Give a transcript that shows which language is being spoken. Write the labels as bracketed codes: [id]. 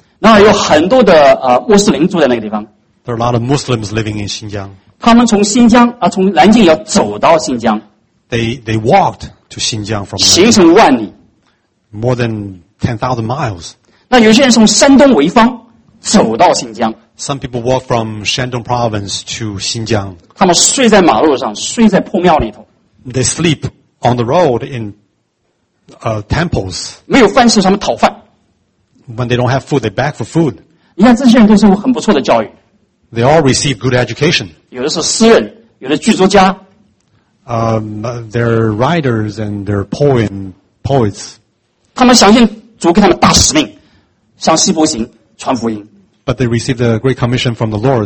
[zh] 那有很多的穆斯林住在那个地方。 [en] There are a lot of Muslims living in Xinjiang. [zh] 他们从新疆啊，从南京要走到新疆。 [en] They walked to Xinjiang from. [zh] 行程万里。 [en] More than 10,000 miles. [zh] 那有些人从山东潍坊走到新疆。 [en] Some people walk from Shandong province to Xinjiang. [zh] 他们睡在马路上，睡在破庙里头。 [en] They sleep on the road in. Temples. [zh] 没有饭吃，他们讨饭。 [en] When they don't have food, they beg for food. [zh] 你看这些人都是很不错的教育。 [en] They all receive good education. [zh] 有的是诗人，有的剧作家。 [en] They're writers and they're poets. [zh] 他们相信主给他们大使命，向西伯行传福音。 [en] But they received a great commission from the Lord.